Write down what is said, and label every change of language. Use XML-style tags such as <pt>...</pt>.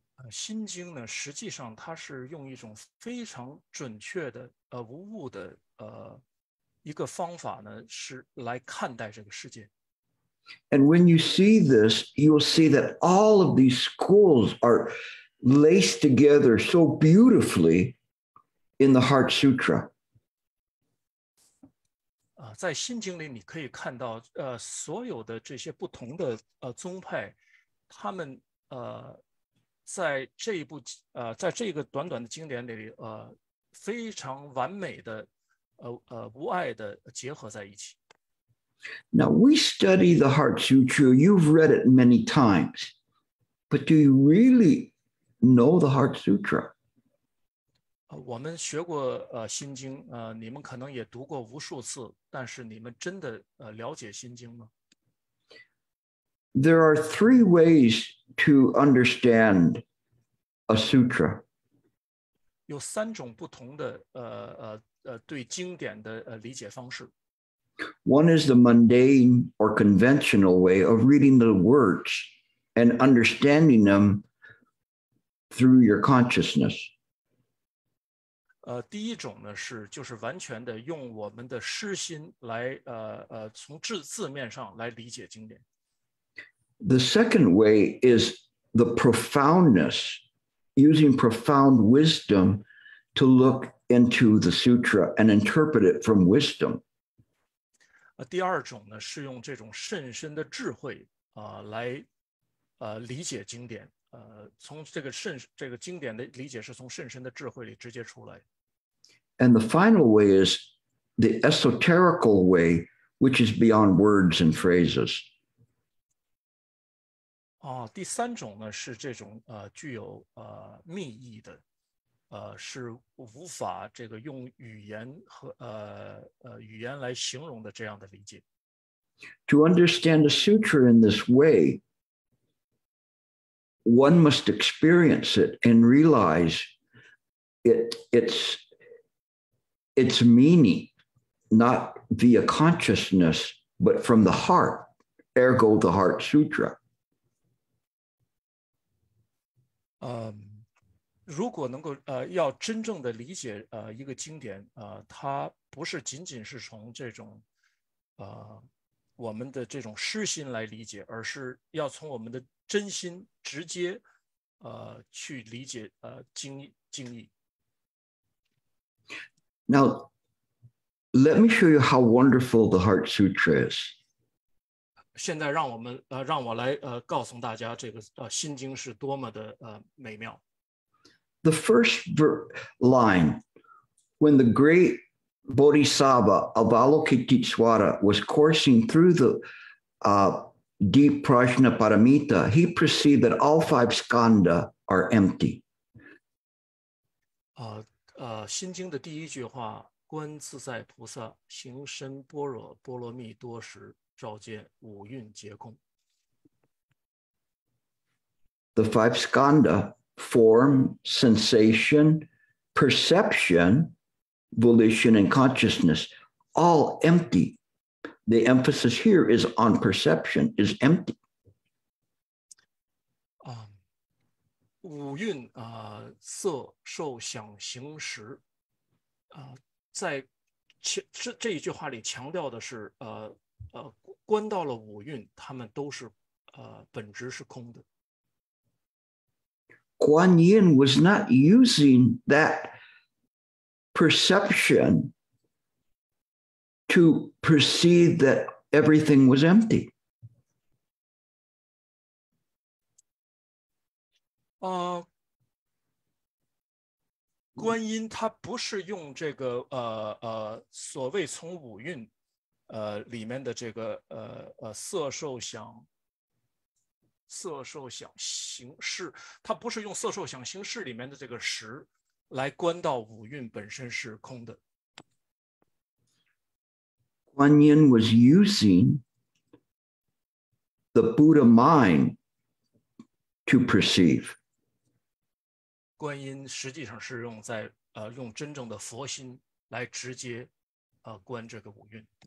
<zh>心经呢，实际上它是用一种非常准确的无误的一个方法呢，是来看待这个世界。</zh> <en>And when you see this, you will see that all of these schools are laced together so beautifully in the Heart Sutra.</en> <zh>在心经里你可以看到所有的这些不同的宗派，他们在这一部在这个短短的经典里非常完美的无碍的结合在一起。</zh> <en>Now we study the Heart Sutra. You've read it many times, but do you really know the Heart Sutra?</en> <zh>我们学过心经，你们可能也读过无数次，但是你们真的了解心经吗？</zh> <en>There are three ways to understand a sutra.</en> <zh>有三种不同的对经典的理解方式。</zh> <en>One is the mundane or conventional way of reading the words and understanding them through your consciousness.</en> <zh>第一种呢是就是完全的用我们的诗心来从字面上来理解经典。</zh> <en>The second way is the profoundness, using profound wisdom to look into the sutra and interpret it from wisdom.</en> <zh>第二种呢是用这种甚深的智慧来理解经典，从这个经典的理解是从甚深的智慧里直接出来。</zh> <en>And the final way is the esoterical way, which is beyond words and phrases.</en> <zh>第三种呢是这种具有秘意的，是无法这个用语言和语言来形容的这样的理解。</zh> <en>To understand a sutra in this way, one must experience it and realize its meaning, not via consciousness, but from the heart, ergo the Heart Sutra.</en> <zh>如果能够要真正的理解一个经典它不是仅仅是从这种我们的这种诗心来理解，而是要从我们的真心直接去理解经义。</zh> <en>Now, let me show you how wonderful the Heart Sutra is.</en> <zh>现在让我来告诉大家这个心经是多么的美妙。</zh> <en>The first line, when the great Bodhisattva Avalokiteshvara was coursing through the deep Prajnaparamita, he perceived that all five skandha are empty.</en> <zh>心经的第一句话，观自在菩萨行深般若波罗蜜多时，照见五蕴皆空。</zh> <en>The five skandha, form, sensation, perception, volition, and consciousness, all empty. The emphasis here is on perception, is empty.</en> <zh>五蕴色受想行识在这一句话里强调的是观到了五蕴，他们都是本质是空的。</zh> <en>Guan Yin was not using that perception to perceive that everything was empty.</en> <zh>Guan Yin, 他不是用这个所谓从五蕴里面的这个色受想。色受想行识，他不是用色受想行识里面的这个识来观到五蕴本身是空的。</zh> <en>Guan Yin was using the Buddha mind to perceive.</en> <zh>观音实际上是用在用真正的佛心来直接观这个五蕴。</zh>